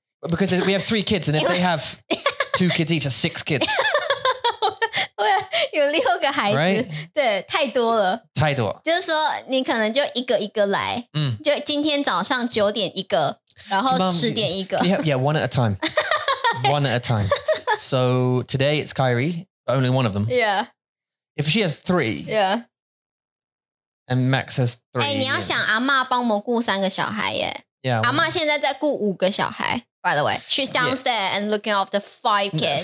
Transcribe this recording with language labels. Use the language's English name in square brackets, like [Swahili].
[English] Because we have three kids, and if they have two kids each, that's six kids. [Chinese] 有六个孩子，对，太多了。太多，就是说你可能就一个一个来，嗯，就今天早上九点一个，然后十点一个。 [English] Yeah, one at a time. One at a time. So today it's Kyrie, but only one of them. Yeah. If she has three. Yeah. And Max has three. [Chinese] 哎，你要想阿妈帮我顾三个小孩耶。阿妈现在在顾五个小孩。 [English] By the way, she's downstairs and looking after five kids.